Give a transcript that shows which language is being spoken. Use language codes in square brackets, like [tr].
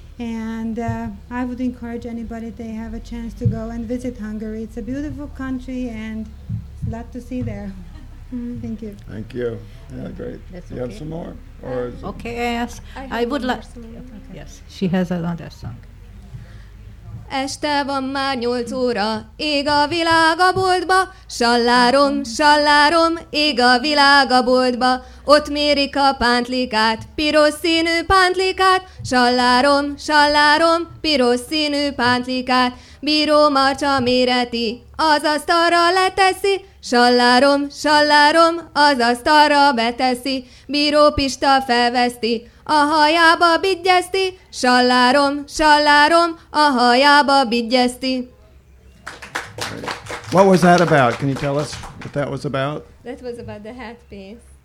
[en] And I would encourage anybody, they have a chance to go and visit Hungary. It's a beautiful country and a lot to see there. Thank you. Thank you. Yeah, great. That's you okay. Have some more? Or is okay, it? Yes. I would like. Okay. Yes, she has another song. [hu] Este van már 8 óra, ég a világ a boltba, sallárom, sallárom, ég a világ a boltba. Ott mérik a pántlikát, piros színű pántlikát, sallárom, sallárom, piros színű pántlikát. Bíró Marcsa méreti, az asztalra leteszi, sallárom, sallárom, az asztalra beteszi. Bíró Pista felveszti, a hajába biggyeszti, sallárom, sallárom, a hajába biggyeszti. [en] What was that about? Can you tell us what that was about? That was about the hat piece.